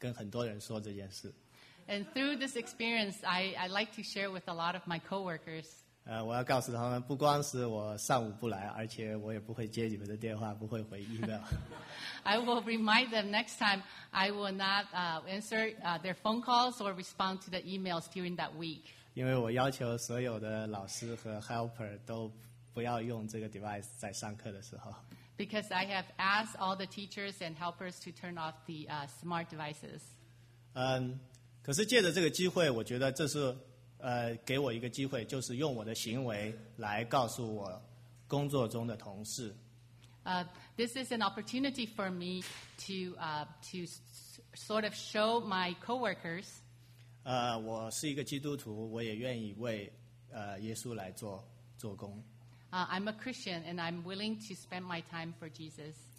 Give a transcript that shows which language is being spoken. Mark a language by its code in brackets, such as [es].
[zh] 可是借着这次来参加，我就要告诉我的同事，这个半我需要有一个星期，我要跟很多人说这件事。 [en] And through this experience, I'd like to share with a lot of my coworkers. [zh] 我要告诉他们，不光是我上午不来，而且我也不会接你们的电话，不会回 email. [en] I will remind them next time. I will not answer their phone calls or respond to the emails during that week. [zh] 因为我要求所有的老师和 helper 都不要用这个 device 在上课的时候。 [en] Because I have asked all the teachers and helpers to turn off the smart devices. [zh] 可是借着这个机会，我觉得这是。给我一个机会，就是用我的行为来告诉我工作中的同事。 [en] This is an opportunity for me to sort of show my coworkers. [zh] 我是一个基督徒，我也愿意为耶稣来做工。 [en] I'm a Christian and I'm willing to spend my time for Jesus.